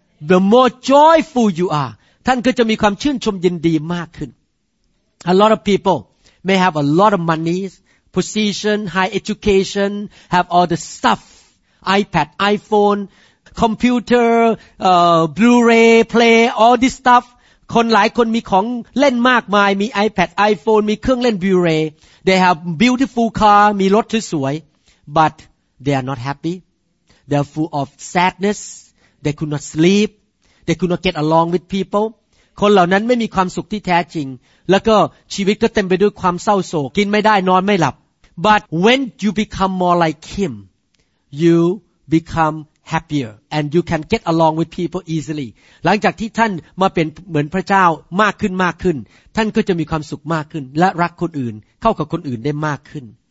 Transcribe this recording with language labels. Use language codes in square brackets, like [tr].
[en] The more joyful you are [th] ท่านก็จะมีความชื่นชมยินดีมากขึ้น [en] A lot of people may have a lot of money, position, high education, have all the stuff, iPad, iPhone, computer, Blu-ray, play, all this stuff. [th] คนหลายคนมีของเล่นมากมายมี iPad, iPhone, มีเครื่องเล่น Blu-ray. [en] They have beautiful car, [th] มีรถสวย [en] but they are not happy. They are full of sadness. They could not sleep. They could not get along with people. [th] คนเหล่านั้นไม่มีความสุขที่แท้จริงแล้วก็ชีวิตก็เต็มไปด้วยความเศร้าโศกกินไม่ได้นอนไม่หลับ [en] But when you become more like him, you become happier and you can get along with people easily. [th] หลังจากที่ท่านมาเป็นเหมือนพระเจ้ามากขึ้นมากขึ้นท่านก็จะมีความสุขมากขึ้นและรักคนอื่นเข้ากับคนอื่นได้มากขึ้น